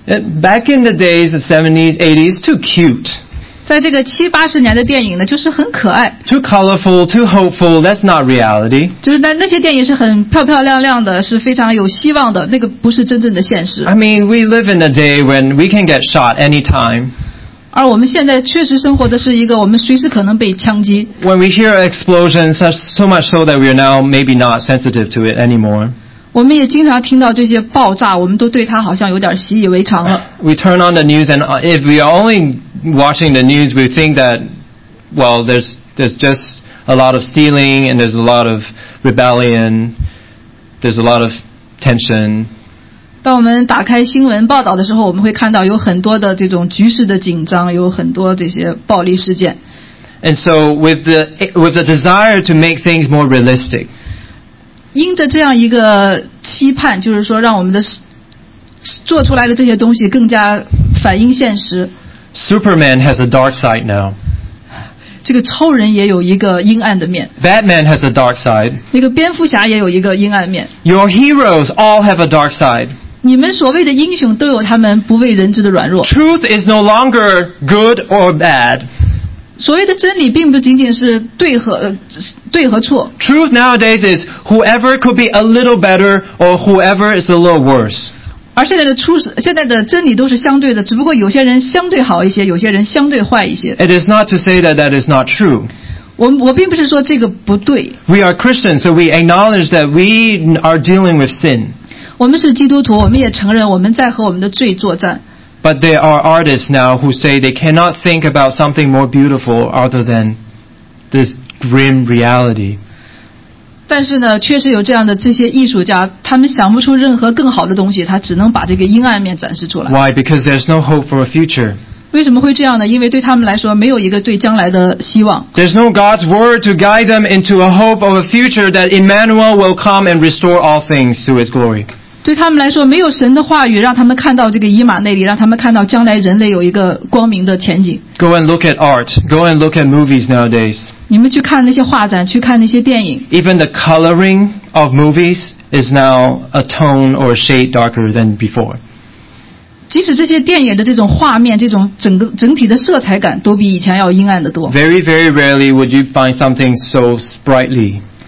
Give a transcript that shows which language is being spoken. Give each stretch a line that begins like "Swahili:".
English: Back in the days, the 70s, 80s, too cute.
Chinese: 在这个七八十年的电影呢，就是很可爱。
English: Too colorful, too hopeful, that's not reality.
Chinese: 就是那些电影是很漂漂亮亮的，是非常有希望的，那个不是真正的现实。
English: I mean, we live in a day when we can get shot anytime.
Chinese: 而我们现在确实生活的是一个我们随时可能被枪击。
English: When we hear explosions, so much so that we are now maybe not sensitive to it anymore.
Chinese: 我们也经常听到这些爆炸，我们都对它好像有点习以为常了。
English: We turn on the news, and if we are only watching the news, we think that, well, there's just a lot of stealing, and there's a lot of rebellion, there's a lot of tension.
Chinese: 当我们打开新闻报道的时候，我们会看到有很多的这种局势的紧张，有很多这些暴力事件。
English: And so with the desire to make things more realistic.
Chinese: 因着这样一个期盼，就是说让我们的做出来的这些东西更加反映现实。
English: Superman has a dark side now.
Chinese: 这个超人也有一个阴暗的面。
English: Batman has a dark side.
Chinese: 那个蝙蝠侠也有一个阴暗面。
English: Your heroes all have a dark side.
Chinese: 你们所谓的英雄都有他们不为人知的软弱。
English: Truth is no longer good or bad.
Chinese: 所谓的真理并不仅仅是对和错。
English: Truth nowadays is whoever could be a little better or whoever is a little worse.
Chinese: 而现在的真理都是相对的，只不过有些人相对好一些，有些人相对坏一些。
English: It is not to say that that is not true.
Chinese: 我并不是说这个不对。
English: We are Christians, so we acknowledge that we are dealing with sin.
Chinese: 我们是基督徒，我们也承认我们在和我们的罪作战。
English: But there are artists now who say they cannot think about something more beautiful other than this grim reality.
Chinese: 但是呢，确实有这样的这些艺术家，他们想不出任何更好的东西，他只能把这个阴暗面展示出来。
English: Why? Because there's no hope for a future.
Chinese: 为什么会这样呢？因为对他们来说，没有一个对将来的希望。
English: There's no God's word to guide them into a hope of a future that Emmanuel will come and restore all things to his glory.
Chinese: 对他们来说，没有神的话语让他们看到这个以马内利，让他们看到将来人类有一个光明的前景。
English: Go and look at art. Go and look at movies nowadays.
Chinese: 你们去看那些画展，去看那些电影。
English: Even the coloring of movies is now a tone or a shade darker than before.
Chinese: 即使这些电影的这种画面，这种整体的色彩感都比以前要阴暗得多。
English: Very, very rarely would you find something so sprightly.